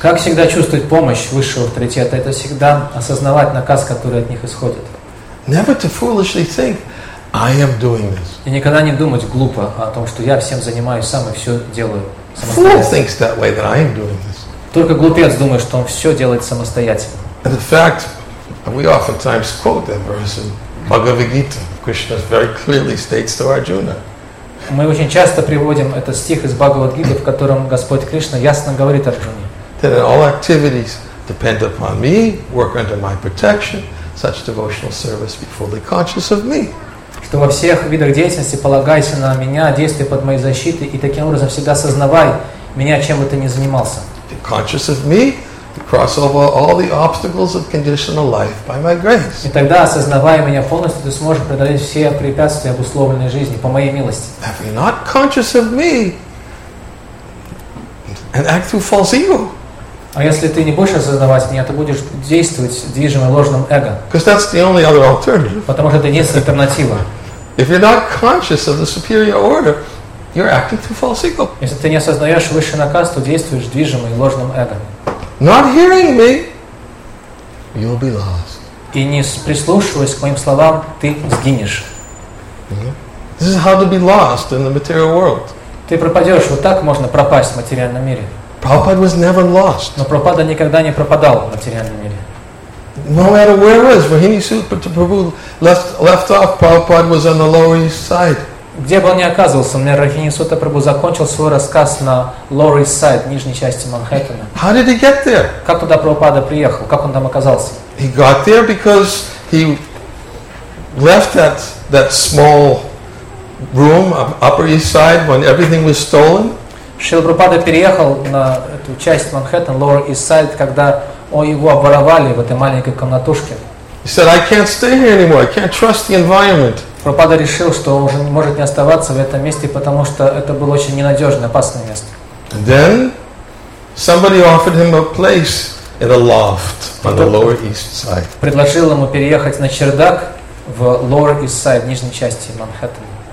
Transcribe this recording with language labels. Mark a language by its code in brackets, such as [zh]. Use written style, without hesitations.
[ru] Как всегда чувствовать помощь высшего авторитета, это всегда осознавать наказ, который от них исходит. [en] Never to foolishly think, I am doing this. [ru] И никогда не думать глупо о том, что я всем занимаюсь сам и все делаю самостоятельно. [en] Fool thinks that way, that I am doing this. [ru] Только глупец думает, что он все делает самостоятельно. [en] And in fact, we oftentimes quote that verse in Bhagavad Gita. Krishna very clearly states to Arjuna. [ru] Мы очень часто приводим этот стих из Бхагавад Гиты, в котором Господь Кришна ясно говорит Арджуне. [en] That all activities depend upon me, work under my protection, such devotional service be fully conscious of me. [ru] Что во всех видах деятельности полагайся на меня, действуй под моей защитой и таким образом всегда сознавай меня, чем бы ты ни занимался. [en] Be conscious of me. Cross over all the obstacles of conditional life by my grace. [ru] И тогда, осознавая меня полностью, ты сможешь преодолеть все препятствия обусловленной жизни по моей милости. [en] If you're not conscious of me, and act through false ego. [ru] А если ты не будешь осознавать меня, ты будешь действовать движимым ложным эго. [en] Because that's the only other alternative. [ru] Потому что это единственная альтернатива. [en] If you're not conscious of the superior order, you're acting through false ego. [ru] Если ты не осознаешь высший наказ, то действуешь движимым ложным эго. [en] Not hearing me, you'll be lost. [ru] И не прислушиваясь к моим словам, ты сгинешь. [en] This is how to be lost in the material world. [ru] Ты пропадешь. Вот так можно пропасть в материальном мире. [en] Prabhupada was never lost. [ru] Но Прабхупада никогда не пропадал в материальном мире. [en] No matter where he was, Rahinisut Prabhu left off, Prabhupada was on the Lower East Side. [ru] Где бы он ни оказывался, мне Рахинисута Прабху закончил свой рассказ на Lower East Side, нижней части Манхэттена. [en] How did he get there? [ru] Как туда Прабхупада приехал? Как он там оказался? [en] He got there because he left that small room of Upper East Side when everything was stolen. [ru] Шрила Прабхупада переехал на эту часть Манхэттена, Lower East Side, когда его обворовали в этой маленькой комнатушке. [en] He said, I can't stay here anymore. I can't trust the environment. [ru] Прабхупада решил, что он уже не может не оставаться в этом месте, потому что это было очень ненадежное, опасное место. [en] Then somebody offered him a place in a loft on the lower east side. [ru] Предложил ему переехать на чердак в lower east side, в нижней части Манхэттена.